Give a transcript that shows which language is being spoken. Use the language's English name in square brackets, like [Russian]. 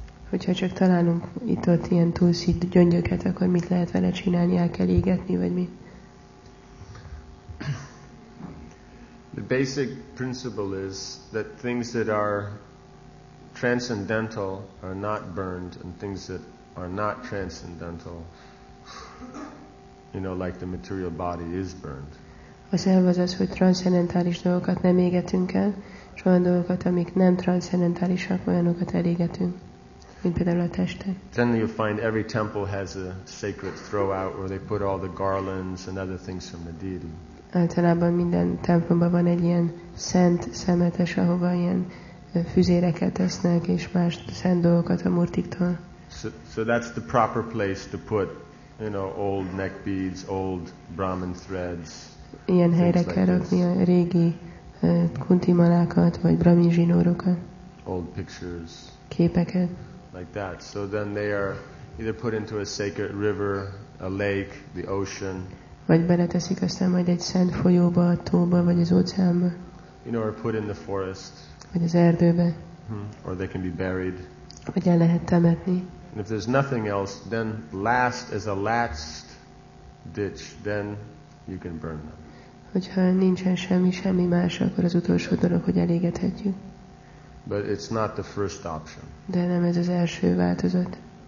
[Hungarian] Hogyha csak találunk itt-ott ilyen tulsi gyöngyöket, akkor mit lehet vele csinálni? El kell égetni, vagy mi? [English] The basic principle is that things that are transcendental are not burned, and things that are not transcendental, you know, like the material body, is burned. [Hungarian] Az elv az az, hogy transzcendentális dolgokat nem égetünk el, és olyan dolgokat, amik nem transzcendentálisak, olyanokat elégetünk. [English] Then you find every temple has a sacred throw out where they put all the garlands and other things from the deity. [Hungarian] Általában minden templomban van egy ilyen szent szemetes, ahova ilyen füzéreket tesznek és más szent dolgokat a murtiktól. [English] So that's the proper place to put, you know, old neck beads, old Brahmin threads. [Hungarian] ilyen helyre kell rakni a régi kunti malákat vagy brahmin zsinórokat. [English] Old pictures. [Hungarian] Képeket. [English] Like that. So then they are either put into a sacred river, a lake, the ocean. [Hungarian] Vagy beleteszik aztán majd egy szent folyóba, a tóba vagy az óceánba. [English] You know, or put in the forest. [Hungarian] Vagy az erdőbe. [English] Or they can be buried. [Hungarian] Vagy el lehet temetni. [English] And if there's nothing else, then last as a last ditch, then you can burn them. [Hungarian] Hogyha nincsen semmi más, akkor az utolsó dolog, hogy elégethetjük. [English] But it's not the first option. [Hungarian] De nem ez az első változat.